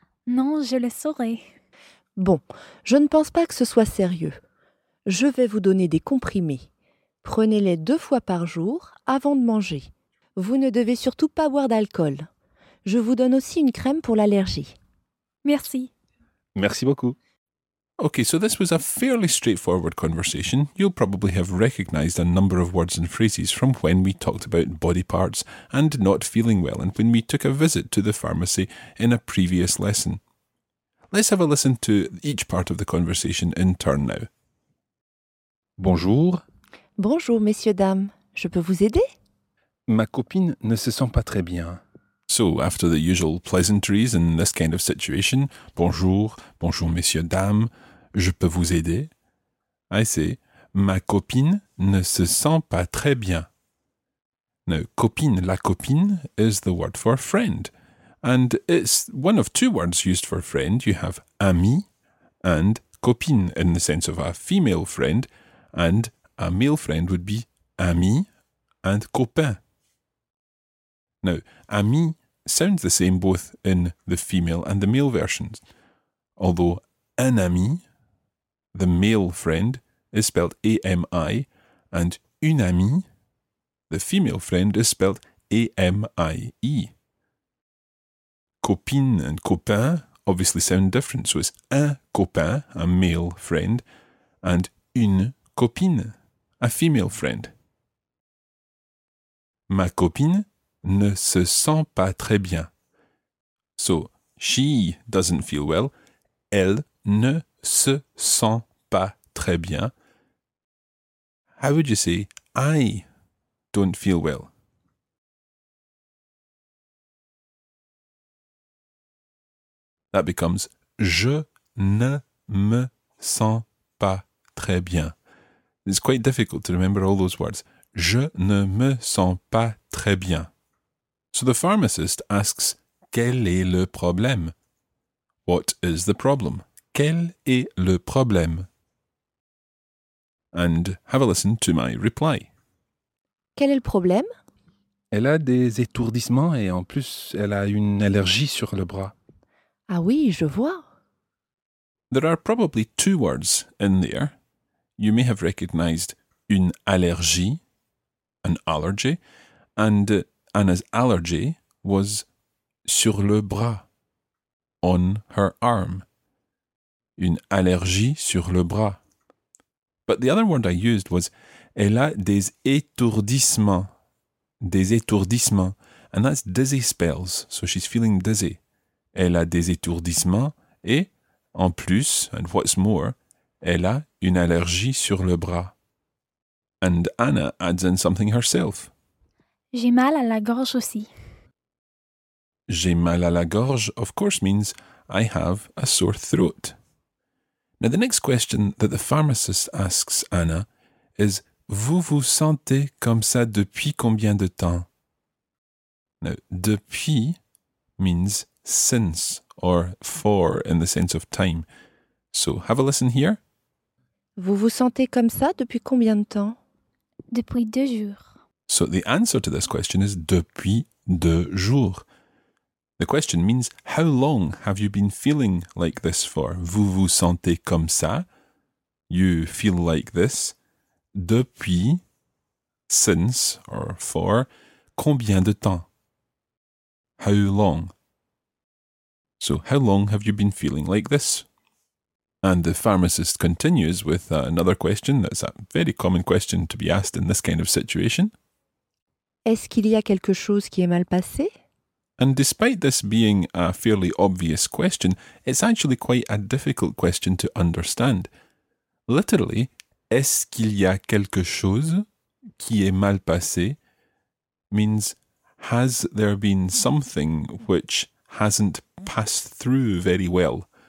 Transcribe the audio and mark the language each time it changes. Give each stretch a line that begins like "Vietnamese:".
French: Non, je le saurais. Bon, je ne pense pas que ce soit sérieux. Je vais vous donner des comprimés. Prenez-les 2 fois par jour avant de manger. Vous ne devez surtout pas boire d'alcool. Je vous donne aussi une crème pour l'allergie. Merci. Merci beaucoup.
English: Okay, so this was a fairly straightforward conversation. You'll probably have recognized a number of words and phrases from when we talked about body parts and not feeling well and when we took a visit to the pharmacy in a previous lesson. Let's have a listen to each part of the conversation in turn now.
French: Bonjour. Bonjour, messieurs, dames. Je peux vous aider? Ma copine ne se sent pas très bien.
English: So, after the usual pleasantries in this kind of situation,
French: bonjour, bonjour, messieurs, dames, je peux vous aider?
English: I say,
French: ma copine ne se sent pas très bien.
English: Now, copine, la copine, is the word for friend. And it's one of 2 words used for friend. You have ami and copine in the sense of a female friend. And a male friend would be ami and copain. Now, ami sounds the same both in the female and the male versions. Although un ami, the male friend, is spelled A-M-I. And une amie, the female friend, is spelled A-M-I-E. Copine and copain obviously sound different, so it's un copain, a male friend, and une copine, a female friend.
French: Ma copine ne se sent pas très bien.
English: So, she doesn't feel well.
French: Elle ne se sent pas très bien.
English: How would you say I don't feel well? That becomes
French: je ne me sens pas très bien.
English: It's quite difficult to remember all those words.
French: Je ne me sens pas très bien.
English: So the pharmacist asks,
French: quel est le problème?
English: What is the problem?
French: Quel est le problème?
English: And have a listen to my reply.
French: Quel est le problème? Elle a des étourdissements et en plus elle a une allergie sur le bras. Ah oui, je vois.
English: There are probably 2 words in there. You may have recognized une allergie, an allergy, and Anna's allergy was
French: sur le bras,
English: on her arm.
French: Une allergie sur le bras.
English: But the other word I used was,
French: elle a des étourdissements. Des étourdissements.
English: And that's dizzy spells, so she's feeling dizzy.
French: Elle a des étourdissements et, en plus,
English: and what's more,
French: elle a une allergie sur le bras.
English: And Anna adds in something herself.
French: J'ai mal à la gorge aussi. J'ai mal à la gorge,
English: of course, means I have a sore throat. Now, the next question that the pharmacist asks Anna is,
French: vous vous sentez comme ça depuis combien de temps?
English: Now, depuis means since or for in the sense of time. So, have a listen here.
French: Vous vous sentez comme ça depuis combien de temps? Depuis 2 jours.
English: So, the answer to this question is
French: depuis 2 jours.
English: The question means, how long have you been feeling like this for?
French: Vous vous sentez comme ça?
English: You feel like this?
French: Depuis,
English: since, or for,
French: combien de temps?
English: How long? So, how long have you been feeling like this? And the pharmacist continues with another question that's a very common question to be asked in this kind of situation.
French: Est-ce qu'il y a quelque chose qui est mal passé?
English: And despite this being a fairly obvious question, it's actually quite a difficult question to understand. Literally,
French: est-ce qu'il y a quelque chose qui est mal passé
English: means, has there been something which hasn't passed through very well?